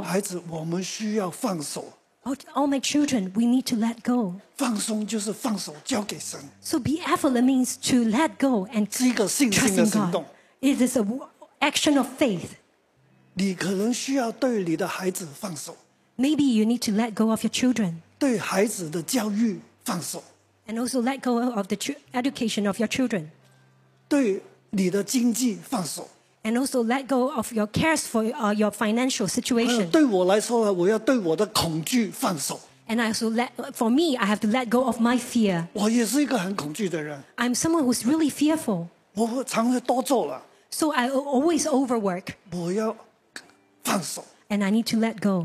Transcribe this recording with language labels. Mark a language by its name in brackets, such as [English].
[Chinese] 孩子，我们需要放手。 [English] All my children, we need to let go. [Chinese] 放松就是放手，交给神。 [English] So be effortless means to let go and trust in God. [Chinese] 是一个信心的行动。 [English] It is an action of faith. [Chinese] 你可能需要对你的孩子放手。 [English] Maybe you need to let go of your children. [Chinese] 对孩子的教育放手。 [English] And also let go of the education of your children. [Chinese] 对你的经济放手。 [English] And also let go of your cares for your financial situation. [Chinese] 对我来说呢，我要对我的恐惧放手。 [English] And I also let for me, I have to let go of my fear. [Chinese] 我也是一个很恐惧的人。 [English] I'm someone who's really fearful. [Chinese] 我常常多做了。 [English] So I always overwork. [Chinese] 我要放手。 [English] And I need to let go.